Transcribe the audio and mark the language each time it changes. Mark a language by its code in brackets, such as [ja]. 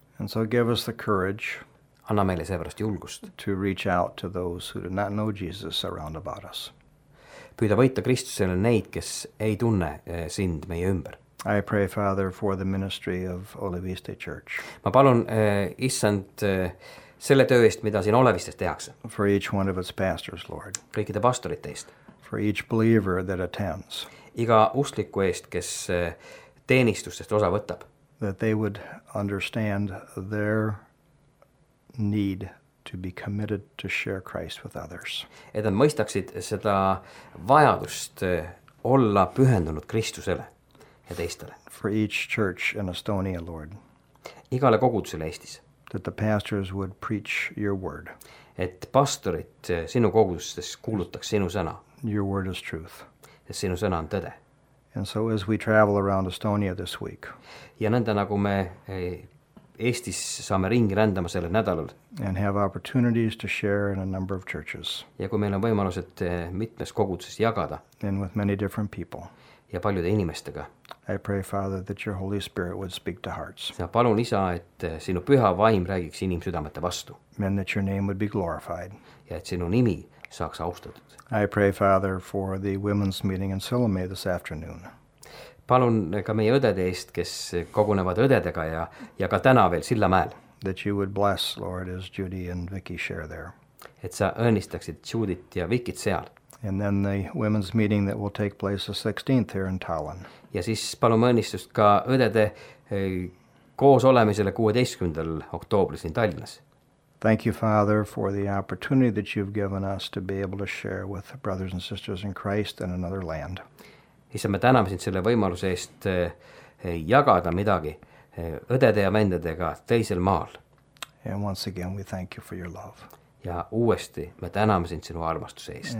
[en] And so give us the courage. [et] Anna meile seepärast julgust. [en] To reach out to those who do not know Jesus around about us. [et] püüda võita Kristusele neid, kes ei tunne sind meie ümber. [en] I pray, Father, for the ministry of Oleviste Church. [et] Ma palun, Issand, selle töö eest, mida siin Olevistes tehakse. [en] For each one of its pastors, Lord. [et] Kõikide pastoriteist. [en] For each believer that attends. [et] Iga usliku eest, kes teenistustest osa võtab. [en] That they would understand their need to be committed to share Christ with others. [et] Et nad mõistaksid seda vajadust olla pühendunud Kristusele. Ja teistele. [en] For each church in Estonia, Lord. [et] Igale kogudusele Eestis. [en] That the pastors would preach your word. [et] Et pastorid sinu kogudustes kuulutaks sinu sõna. [en] Your word is truth. [et] Et sinu sõna on tõde. [en] And so as we travel around Estonia this week. [et] Ja nõnda nagu me Eestis saame ringi rändama selle nädalal. [en] And have opportunities to share in a number of churches. [et] Ja kui meil on võimalused mitmes koguduses jagada. [en] And with many different people. [et] Ja paljude inimestega. [en] I pray, Father, that your Holy Spirit would speak to hearts. [et] Ja palun, Isa, et sinu püha vaim räägiks inimsüdamete vastu. [en] And that your name would be glorified. [et] Ja et sinu nimi saaks austatud. [en] I pray, Father, for the women's meeting in Salome this afternoon. [et] Palun ka meie õdede eest, kes kogunevad õdedega ja ka täna veel Sillamäel. [en] That you would bless, Lord, as Judy and Vicky share there. [et] Et sa õnnistaksid Judit ja Vickit seal. [en] And then the women's meeting that will take place the 16th here in Tallinn. [et] Ja siis palun mõnnistust ka õdede koos olemisele 16. Oktoobri siin Tallinnas. [en] Thank you, Father, for the opportunity that you've given us to be able to share with brothers and sisters in Christ in another land. [et] Issand, me täname sind selle võimaluse eest jagada midagi õdede ja vendadega teisel maal. [en] And once again, we thank you for your love. [et] Ja uuesti me täname sind sinu armastuse eest.